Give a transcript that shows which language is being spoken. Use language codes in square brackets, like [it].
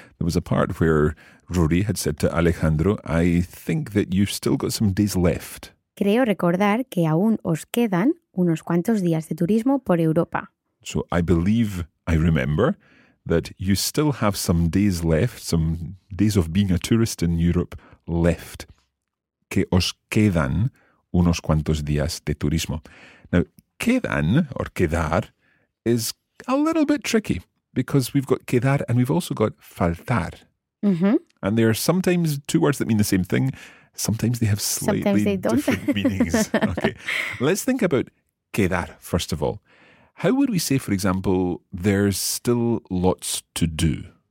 [en] There was a part where Rory had said to Alejandro, I think that you've still got some days left. [es] Creo recordar que aún os quedan unos cuantos días de turismo por Europa. [en] So I believe, I remember, that you still have some days left, some days of being a tourist in Europe left. [es] Que os quedan unos cuantos días de turismo. [en] Now, quedan or quedar is a little bit tricky. Because we've got quedar and we've also got faltar. Mm-hmm. And they are sometimes two words that mean the same thing. Sometimes they have slightly different meanings. Okay. Let's think about quedar, first of all. How would we say, for example, there's still lots to do?